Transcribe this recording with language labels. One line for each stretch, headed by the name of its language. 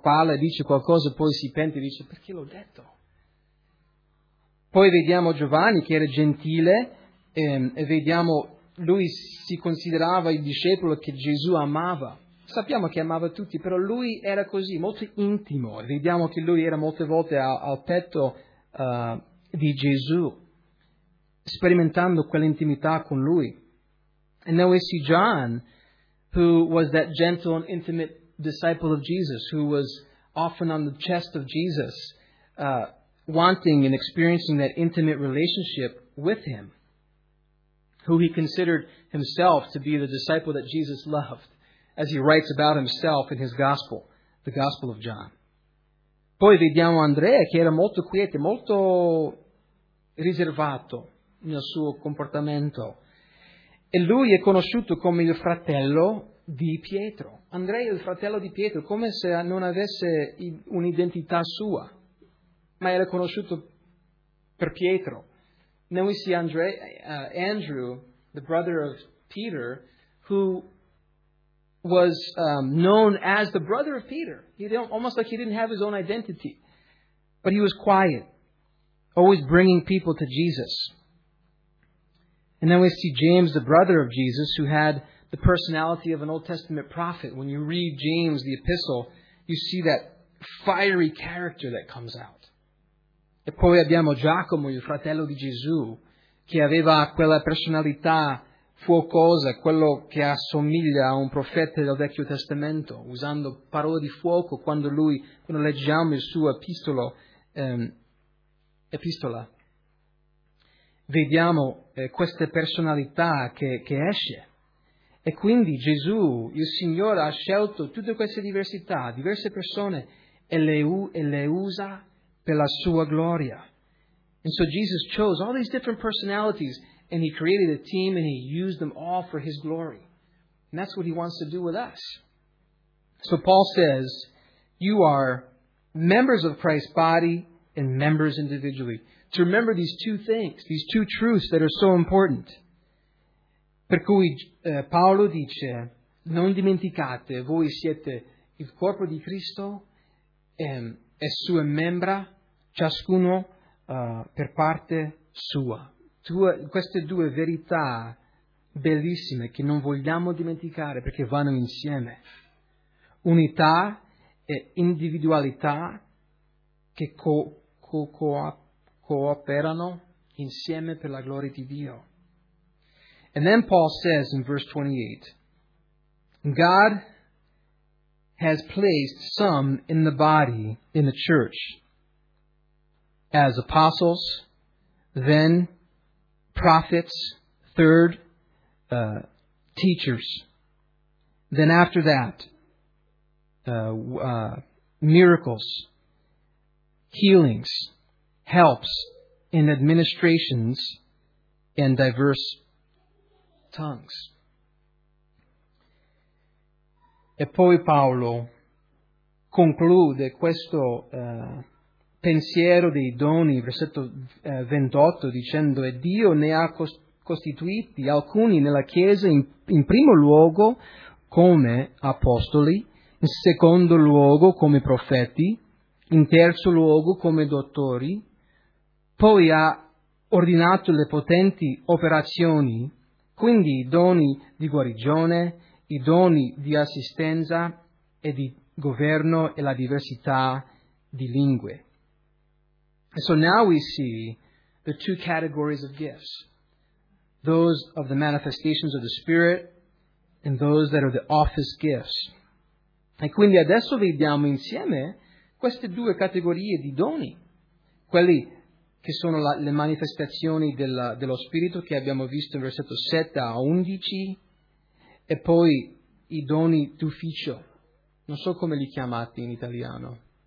Italian: Parla, dice qualcosa, poi si pente e dice, perché l'ho detto? Poi vediamo Giovanni, che era gentile, e vediamo, lui si considerava il discepolo che Gesù amava. Sappiamo che amava tutti, però lui era così, molto intimo. Vediamo che lui era molte volte al petto di Gesù. sperimentando quell'intimità con Lui.
English: And then we see John, who was that gentle and intimate disciple of Jesus, who was often on the chest of Jesus, wanting and experiencing that intimate relationship with Him, who he considered himself to be the disciple that Jesus loved, as he writes about himself in his gospel, the Gospel of John.
Italian: Poi vediamo Andrea, che era molto quieto, molto riservato nel suo comportamento. E lui è conosciuto come il fratello di Pietro. Andrea è il fratello di Pietro, come se non avesse un'identità sua, ma era conosciuto per Pietro.
English: Then we see Andrew, the brother of Peter, who was known as the brother of Peter. He didn't, almost like he didn't have his own identity. But he was quiet, always bringing people to Jesus. And then we see James, the brother of Jesus, who had the personality of an Old Testament prophet. When you read James, the epistle, you see that fiery character that comes out.
Italian: E poi abbiamo Giacomo, il fratello di Gesù, che aveva quella personalità fuocosa, quello che assomiglia a un profeta del Vecchio Testamento, usando parole di fuoco quando leggiamo il suo epistola. Vediamo queste personalità che esce. E quindi Gesù, il Signore, ha scelto tutte queste diversità, diverse persone, e le usa per la sua gloria.
English: And so Jesus chose all these different personalities and he created a team and he used them all for his glory. And that's what he wants to do with us. So Paul says, you are members of Christ's body and members individually. To remember these two things, these two truths that are so important.
Italian: Per cui Paolo dice, non dimenticate, voi siete il corpo di Cristo e sue membra, ciascuno per parte sua. Queste due verità bellissime che non vogliamo dimenticare perché vanno insieme. Unità e individualità che cooperano insieme per la gloria di Dio.
English: And then Paul says in verse 28, God has placed some in the body, in the church, as apostles, then prophets, third, teachers. Then after that, miracles, healings, helps, and administrations, and diverse tongues.
Italian: E poi Paolo conclude questo pensiero dei doni, versetto 28, dicendo, e Dio ne ha costituiti alcuni nella Chiesa in primo luogo come apostoli, in secondo luogo come profeti, in terzo luogo come dottori, poi ha ordinato le potenti operazioni, quindi i doni di guarigione, i doni di assistenza e di governo e la diversità di lingue.
English: And so now we see the two categories of gifts, those of the manifestations of the Spirit and those that are the office gifts.
Italian: E quindi adesso vediamo insieme queste due categorie di doni, quelli che sono le manifestazioni dello Spirito che abbiamo visto in versetto 7 a 11 e poi i doni d'ufficio, non so come li chiamate in italiano.